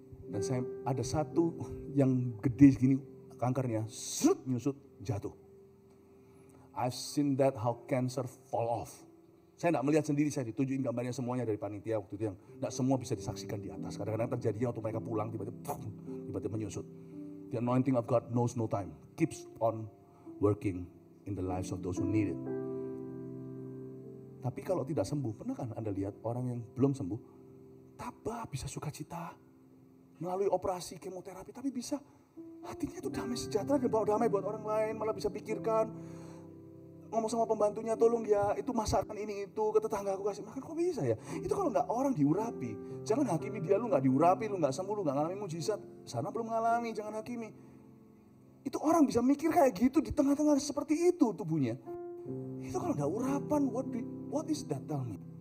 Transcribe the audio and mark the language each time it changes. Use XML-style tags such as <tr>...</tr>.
<id>Dan saya ada satu yang gede segini kankernya, zut, nyusut, jatuh.</id> <en>I've seen that how cancer fall off.</en> <id>Saya tidak melihat sendiri, saya ditunjukin gambarnya semuanya dari panitia waktu itu yang tidak semua bisa disaksikan di atas. Kadang-kadang terjadinya waktu mereka pulang, tiba-tiba menyusut.</id> <en>The anointing of God knows no time. Keeps on working in the lives of those who need it.</en> <id>Tapi kalau tidak sembuh, pernah kan Anda lihat orang yang belum sembuh, tabah, bisa sukacita, melalui operasi, kemoterapi, tapi bisa. Hatinya itu damai sejahtera, dan bawa damai buat orang lain, malah bisa pikirkan. Ngomong sama pembantunya, tolong ya, itu masakan ini itu, ke tetangga aku kasih makan, kok bisa ya? Itu kalau enggak orang diurapi, jangan hakimi dia, lu enggak diurapi, lu enggak sembuh, lu enggak ngalami mujizat, sana belum ngalami, jangan hakimi. Itu orang bisa mikir kayak gitu, di tengah-tengah seperti itu tubuhnya. Itu kalau enggak urapan,</id> <en>what is that tell me?</en>